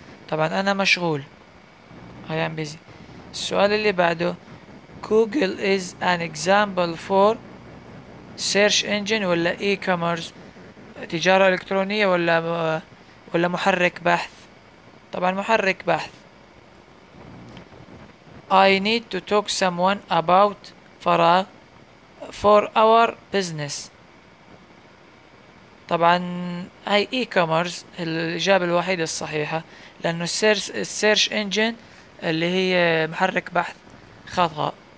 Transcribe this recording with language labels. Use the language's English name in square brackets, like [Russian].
[Arabic] طبعا أنا مشغول [English] I am busy. [Arabic] السؤال اللي بعده [English] Google is an example for search engine [Arabic] ولا e-commerce؟ تجارة إلكترونية ولا محرك بحث؟ طبعا محرك بحث. [English] I need to talk someone about [Arabic] فراغ [English] for our business. [Arabic] طبعا هاي e-commerce الإجابة الوحيدة الصحيحة، لأنه search engine اللي هي محرك بحث خطأ.